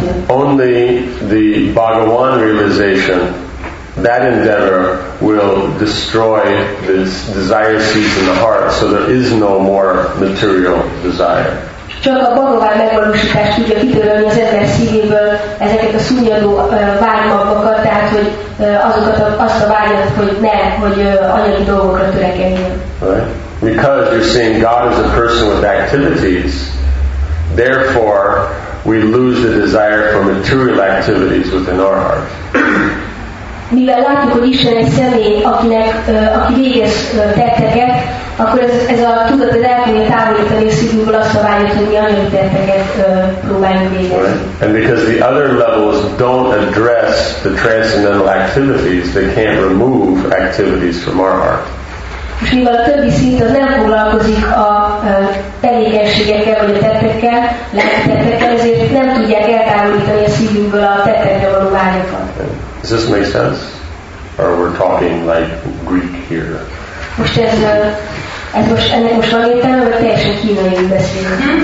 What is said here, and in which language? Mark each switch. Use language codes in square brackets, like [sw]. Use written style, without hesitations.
[en] Only the Bhagavan realization, that endeavor will destroy the desire seeds in the heart, so there is no more material desire. [hu] Csak a Bhagavan megvalósítás tudja kitörölni az ember szívéből ezeket a szúnyadó vágymagokat, tehát hogy azokat azt a vágyat, hogy ne, hogy anyagi dolgokra törekedjen. [en] Because you're seeing God as a person with activities, therefore we lose the desire for material activities within our heart. [hu] Mivel látjuk, hogy Isten egy személy, aki végez tetteket, akkor ez a tudat az elkönyve távolítani a szívünkből azt a vágyat, hogy mi anyagi tetteket próbáljunk végezni. [en] Right. And because the other levels don't address the transcendental activities, they can't remove activities from our heart. [hu] És mivel a többi szint az nem foglalkozik a tevékenységekkel, vagy a tettekkel, lelki tettekkel, ezért nem tudják eltávolítani a szívünkből a tettekre való vágyakat. [en] Does this make sense? Or we're talking like Greek here? [hu] Most ez most ennek most van értelme, vagy teljesen kínaiul beszélünk?